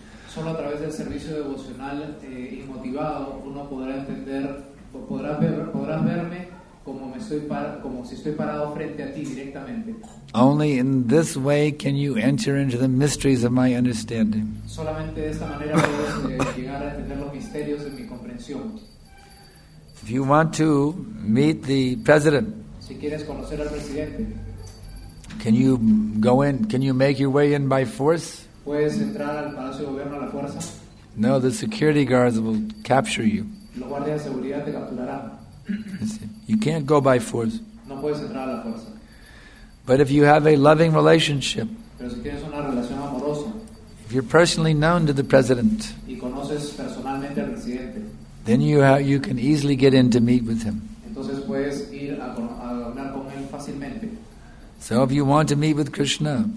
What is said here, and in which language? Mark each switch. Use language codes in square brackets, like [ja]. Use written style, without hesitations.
[es] Solo a través del servicio devocional inmotivado uno podrá entender, podrás verme como si estoy parado frente a ti directamente. [en] Only in this way can you enter into the mysteries of my understanding. [es] Solamente de esta manera puedes llegar a entender los misterios de mi comprensión. [en] If you want to meet the president, [es] si quieres conocer al presidente, [en] can you go in? Can you make your way in by force? [es] Puedes entrar al Palacio de Gobierno a la fuerza? [en] No, the security guards will capture you. [es] Los guardias de seguridad te capturarán. [en] You can't go by force. [es] No puedes entrar a la fuerza. [en] But if you have a loving relationship, [es] pero si tienes una relación amorosa, [en] if you're personally known to the president, [es] y conoces personalmente al presidente, [en] then you can easily get in to meet with him. [es] Entonces puedes ir a hablar con él fácilmente. [en] So if you want to meet with Krishna,